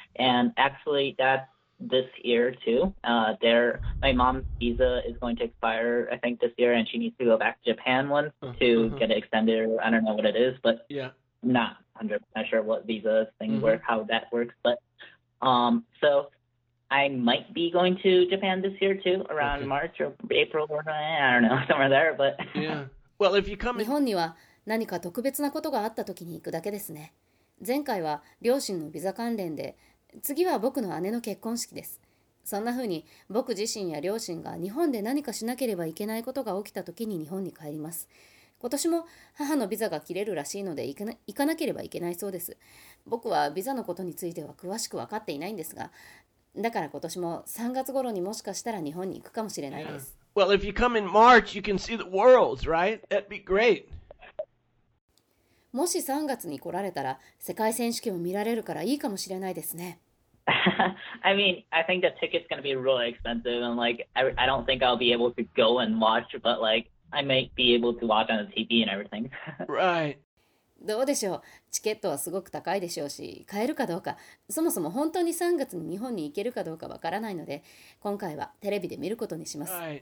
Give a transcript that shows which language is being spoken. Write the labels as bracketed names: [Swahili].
[English] And actually, that's this year too. My mom's visa is going to expire, I think, this year, and she needs to go back to Japan once to get it extended, or I don't know what it is, but not 100% sure what visa thing work, how that works. But so I might be going to Japan this year too, around March or April or I don't know, somewhere there, but Well, if you come [Japanese] 日 [English] in. [Japanese] 本には何か特別なことがあった時に行くだけですね。前回は両親のビザ関連で、次は僕の姉の結婚式です。そんな風に僕自身や両親が日本で何かしなければいけないことが起きた時に日本に帰ります。今年も母のビザが切れるらしいので、行かなければいけないそうです。僕はビザのことについては詳しく分かっていないんですが、だから今年も3月頃にもしかしたら日本に行くかもしれないです。 [English] Well, if you come in March, you can see the world, right? That'd be great. [Japanese] もし3月に来られたら、世界選手権を見られるからいいかもしれないですね。 [English] I mean, I think the ticket's gonna be really expensive, and like, I don't think I'll be able to go and watch, but like, I might be able to watch on the TV and everything. [Japanese] どうでしょう。チケットはすごく高いでしょうし、買えるかどうか、そもそも本当に3月に日本に行けるかどうかわからないので、今回はテレビで見ることにします。